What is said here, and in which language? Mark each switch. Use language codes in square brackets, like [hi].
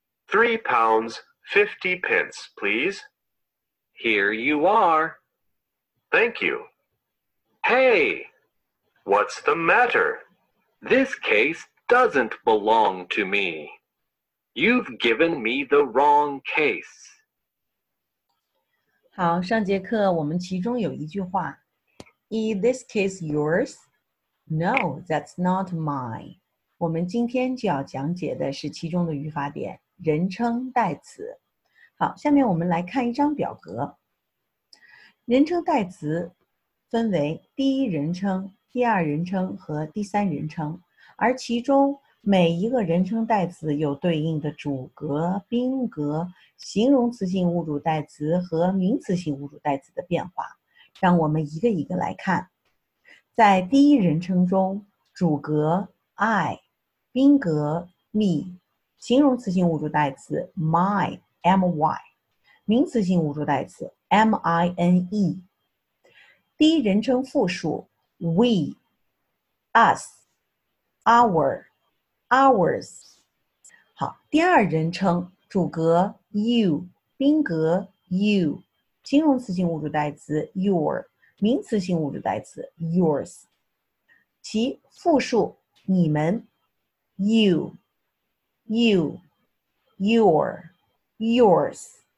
[en] £3.50, please. Here you are. Thank you. Hey! What's the matter? This case doesn't belong to me. You've given me the wrong case. [zh] 好，上节课我们其中有一句话。 [en] Is this case yours? No, that's not mine. [zh] 我们今天就要讲解的是其中的语法点，人称代词。好，下面我们来看一张表格。人称代词分为第一人称、第二人称和第三人称，而其中每一个人称代词有对应的主格、宾格、形容词性物主代词和名词性物主代词的变化。让我们一个一个来看。在第一人称中，主格 I， 宾格 me， 形容词性物主代词 my my， 名词性物主代词 mine。第一人称复数 we， us， our， ours。好，第二人称主格 you， 宾格 you， 形容词性物主代词 your。名词性物主代词 yours， 其复数你们 you， you， your， yours。